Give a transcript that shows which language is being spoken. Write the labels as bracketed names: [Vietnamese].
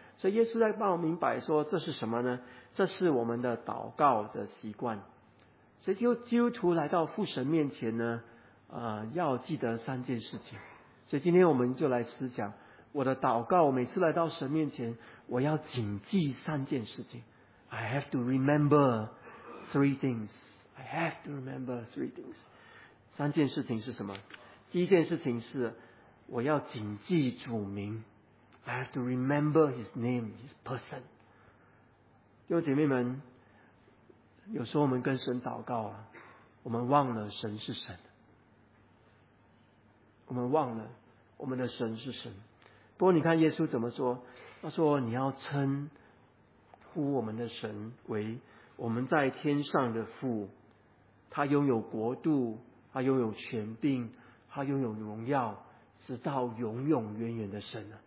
[Chinese] 所以耶稣在帮我明白说这是什么呢？这是我们的祷告的习惯。所以基督徒来到父神面前呢，要记得三件事情。所以今天我们就来思想，我的祷告，我每次来到神面前，我要谨记三件事情。 [English] I have to remember three things. I have to remember three things. [Chinese] 三件事情是什么？第一件事情是我要谨记主名。 [English] I have to remember his name, his person. [Chinese] 弟兄姐妹们，有时候我们跟神祷告啊，我们忘了神是神。我们忘了我们的神是神。不过你看耶稣怎么说，他说你要称呼我们的神为我们在天上的父，他拥有国度，他拥有权柄，他拥有荣耀，直到永永远远的神。